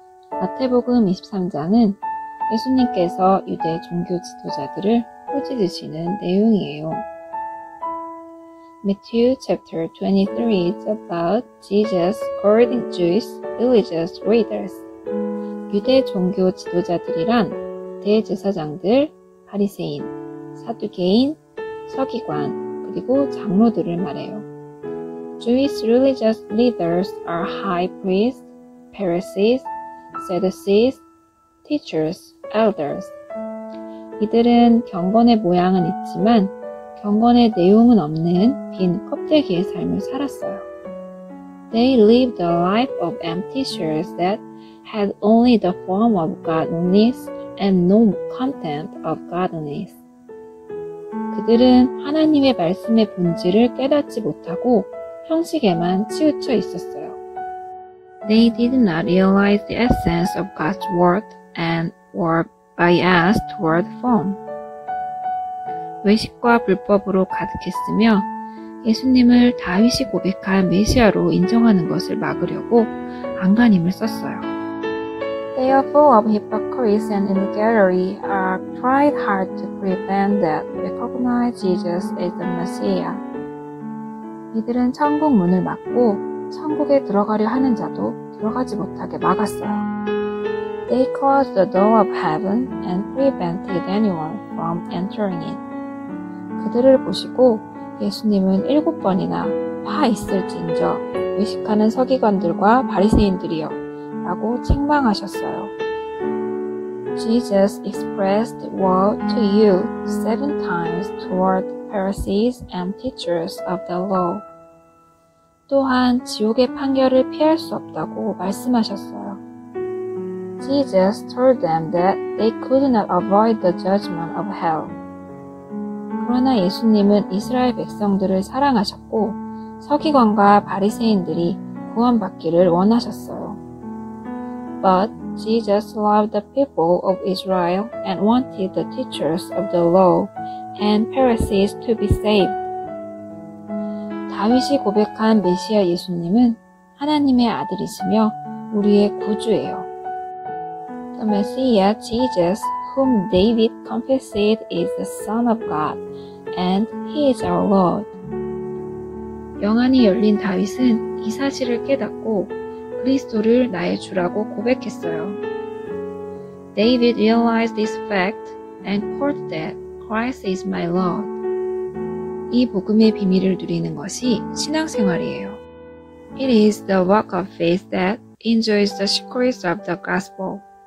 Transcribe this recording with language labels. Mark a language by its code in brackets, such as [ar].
[ko] 마태복음 23장은 예수님께서 유대 종교 지도자들을 꾸짖으시는 내용이에요. [en] Matthew chapter 23 is about Jesus scolding Jewish religious leaders. [ko] 유대 종교 지도자들이란 대제사장들, 바리새인, 사두개인, 서기관, 그리고 장로들을 말해요. [en] Jewish religious leaders are high priests, Pharisees, Sadducees, teachers, elders. [ko] 이들은 경건의 모양은 있지만 경건의 내용은 없는 빈 껍데기의 삶을 살았어요. [en] They lived a life of empty shells that had only the form of godliness and no content of godliness. [ko] 그들은 하나님의 말씀의 본질을 깨닫지 못하고 형식에만 치우쳐 있었어요. [en] They did not realize the essence of God's word and were biased toward form. [ko] 외식과 불법으로 가득했으며 예수님을 다윗이 고백한 메시아로 인정하는 것을 막으려고 안간힘을 썼어요. [en] They are full of hypocrites and in the gallery are tried hard to prevent that recognize Jesus as the Messiah. [ko] 이들은 천국 문을 막고 천국에 들어가려 하는 자도 들어가지 못하게 막았어요. [en] They closed the door of heaven and prevented anyone from entering it. [ko] 그들을 보시고 예수님은 일곱 번이나 화 있을진저 의식하는 서기관들과 바리새인들이여 라고 책망하셨어요. [en] Jesus expressed woe to you seven times toward Pharisees and teachers of the law. [ko] 또한 지옥의 판결을 피할 수 없다고 말씀하셨어요. [en] Jesus told them that they could not avoid the judgment of hell. [ko] 그러나 예수님은 이스라엘 백성들을 사랑하셨고 서기관과 바리새인들이 구원받기를 원하셨어요. [en] But Jesus loved the people of Israel and wanted the teachers of the law and Pharisees to be saved. [ko] 다윗이 고백한 메시아 예수님은 하나님의 아들이시며 우리의 구주예요. [en] The Messiah Jesus, whom David confessed is the Son of God, and He is our Lord. [ko] 영안이 열린 다윗은 이 사실을 깨닫고 그리스도를 나의 주라고 고백했어요. [en] David realized this fact and quoted that Christ is my Lord. [ko] 이 복음의 비밀을 누리는 것이 신앙생활이에요. [en] It is the walk of faith that enjoys the secrets of the gospel.